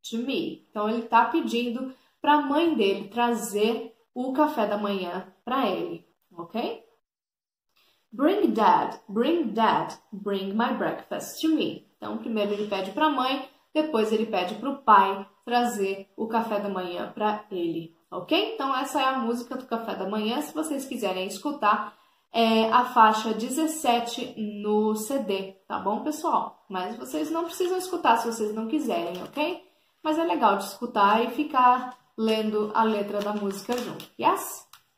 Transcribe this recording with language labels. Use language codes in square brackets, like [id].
[pt] Então, ele está pedindo para a mãe dele trazer o café da manhã para ele, ok? [en] bring dad, bring my breakfast to me. [pt] Então, primeiro ele pede para a mãe, depois ele pede para o pai trazer o café da manhã para ele. Ok? Então, essa é a música do café da manhã. Se vocês quiserem escutar, é a faixa 17 no CD, tá bom, pessoal? Mas vocês não precisam escutar se vocês não quiserem, ok? Mas é legal de escutar e ficar lendo a letra da música junto, yes?